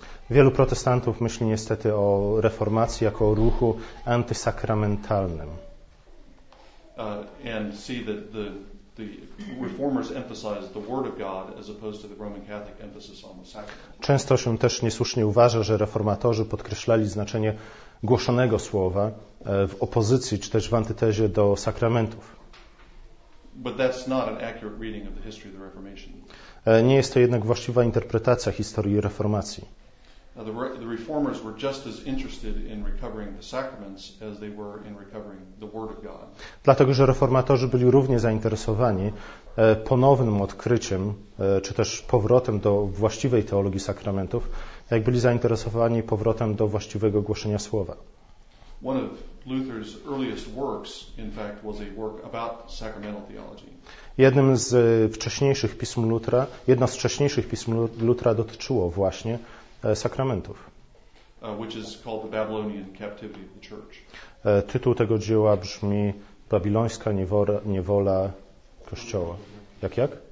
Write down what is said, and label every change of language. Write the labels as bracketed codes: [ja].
[pl] Wielu protestantów myśli niestety o reformacji jako o ruchu antysakramentalnym. [en] And see that the reformers emphasize the word of God as opposed to the Roman Catholic emphasis on the sacrament. [pl] Często się też niesłusznie uważa, że reformatorzy podkreślali znaczenie głoszonego słowa w opozycji czy też w antytezie do sakramentów. [en] But that's not an accurate reading of the history of the Reformation. [pl] Nie jest to jednak właściwa interpretacja historii reformacji. [en] The reformers were just as interested in recovering the sacraments as they were in recovering the word of God. [pl] Dlatego że reformatorzy byli równie zainteresowani ponownym odkryciem czy też powrotem do właściwej teologii sakramentów, jak byli zainteresowani powrotem do właściwego głoszenia słowa. [en] One of Luther's earliest works, in fact, was a work about sacramental theology. [pl] Jednym z wcześniejszych pism Lutra, jedno z wcześniejszych pism Lutra dotyczyło właśnie sakramentów. [en] Which is called the Babylonian Captivity of the Church. [pl] Tytuł tego dzieła brzmi Babilońska niewola Kościoła. Jak?